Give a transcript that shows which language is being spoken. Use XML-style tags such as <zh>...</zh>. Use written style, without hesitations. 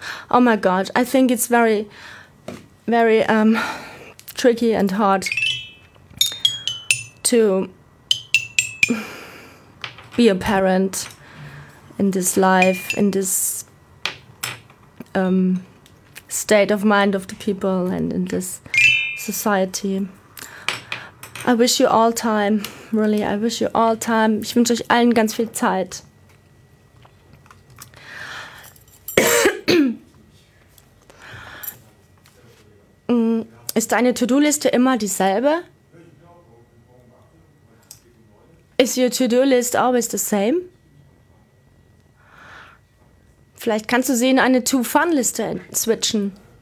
<en>Oh my God, I think it's very, very tricky and hard to be a parent in this life, in this state of mind of the people and in this society. I wish you all time, really, I wish you all time.</en> <de>Ich wünsche euch allen ganz viel Zeit. Ist deine To-Do-Liste immer dieselbe?</de> <en>Is your To-Do-List always the same?</en> <de>Vielleicht kannst du sie in eine To-Fun-Liste switchen.</de>